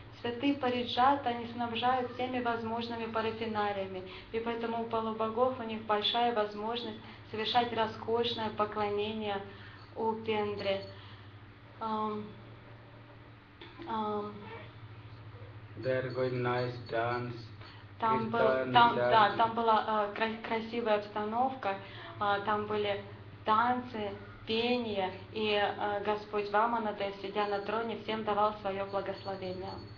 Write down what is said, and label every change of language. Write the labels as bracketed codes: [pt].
[ru] Святые Париджата, они снабжают всеми возможными парафиналиями, и поэтому у полубогов у них большая возможность совершать роскошное поклонение Упендре. [en] They're going nice dance. [ru] Там была красивая обстановка. Там были танцы, пение, и Господь Ваманадев, сидя на троне, всем давал свое благословение.